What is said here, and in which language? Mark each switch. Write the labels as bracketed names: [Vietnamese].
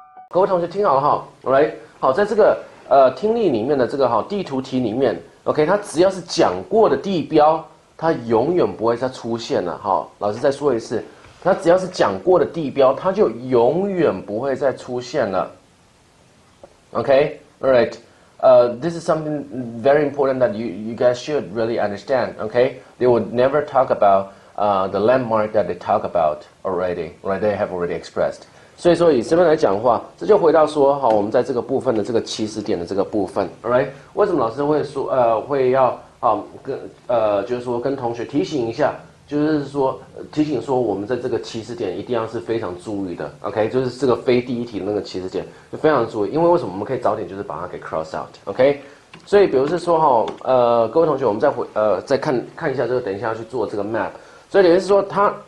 [Chinese] 各位同学听好了哈，right，好，在这个听力里面的这个地图题里面，OK，它只要是讲过的地标，它永远不会再出现了哈。老师再说一次，它只要是讲过的地标，它就永远不会再出现了。 [English] OK，all right，this is something very important that you guys should really understand. OK，they will never talk about the landmark that they talk about already. Right, they have already expressed. [Chinese] 所以说，以这边来讲的话，这就回到说，好，我们在这个部分的这个起始点的这个部分，All right，为什么老师会说，会要啊，就是说跟同学提醒一下，就是说提醒说，我们在这个起始点一定要是非常注意的，OK，就是这个非第一题那个起始点就非常注意，因为什么我们可以早点就是把它给 cross out，OK，所以比如是说哈，各位同学，我们再回再看看一下这个，等一下要去做这个 map，所以等于是说他。